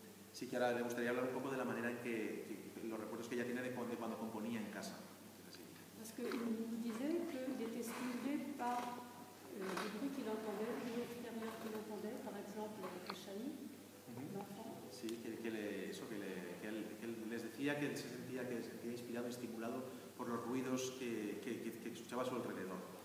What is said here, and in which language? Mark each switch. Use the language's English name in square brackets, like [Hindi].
[Spanish] Sí, que ahora le gustaría hablar un poco de la manera en que los recuerdos que ella tiene de cuando componía en casa. [French] Parce qu'il nous disait qu'il était stimulé par le bruit qu'il entendait, le bruit extérieur qu'il entendait, par exemple le chahut. [Spanish] Sí, que él les decía que se sentía que era inspirado, estimulado por los ruidos que escuchaba a su alrededor.